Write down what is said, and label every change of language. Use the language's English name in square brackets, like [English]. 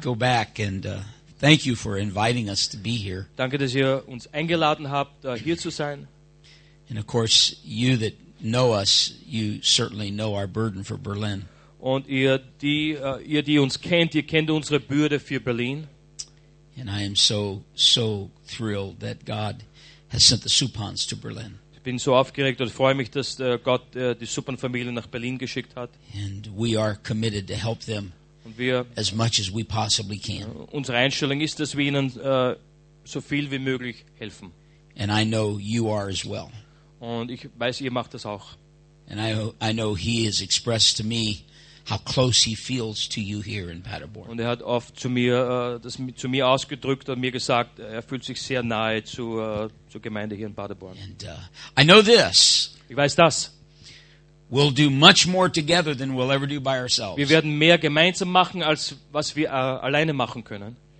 [English] Go back and thank you for inviting us to be here. [German] Danke, dass ihr uns eingeladen habt, hier zu sein. [English] And of course, you that know us, you certainly know our burden for Berlin. [German] Und ihr die uns kennt, ihr kennt unsere Bürde für Berlin. [English] And I am so thrilled that God has sent the Supans to Berlin. [German] Ich bin so aufgeregt und freue mich, dass Gott die Supan-Familie nach Berlin geschickt hat. [English] And we are committed to help them as much as we possibly can. [German] Unsere Einstellung ist, dass wir ihnen so viel wie möglich helfen. [English] And I know you are as well. [German] Und ich weiß, ihr macht das auch. [English] And I know he has expressed to me how close he feels to you here in Paderborn. [German] Und hat oft zu mir ausgedrückt und mir gesagt, fühlt sich sehr nahe zur Gemeinde hier in Paderborn. [English] And I know this. [German] Ich weiß das. [English] We'll do much more together than we'll ever do by ourselves. [German] Wir werden mehr gemeinsam machen als was wir alleine machen können.